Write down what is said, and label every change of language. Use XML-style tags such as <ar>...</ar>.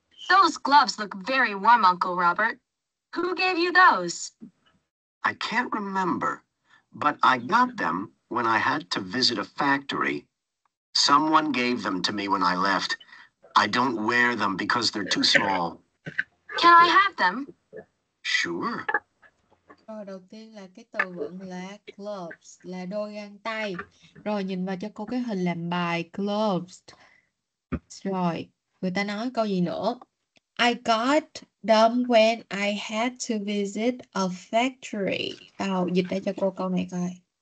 <en>Those gloves look very warm, Uncle Robert. Who gave you those? I can't remember, but I got them when I had to visit a factory. Someone gave them to me when I left. I don't wear them because they're too small. Can I have them? Sure.</en> <vi>Rồi đầu tiên là cái từ vựng là gloves, là đôi găng tay. Rồi nhìn vào cho cô cái hình làm bài gloves. Rồi, người ta nói câu gì nữa?</vi> <en>I got them when I had to visit a factory.</en> <vi>Tao dịch ra cho cô câu này coi.</vi>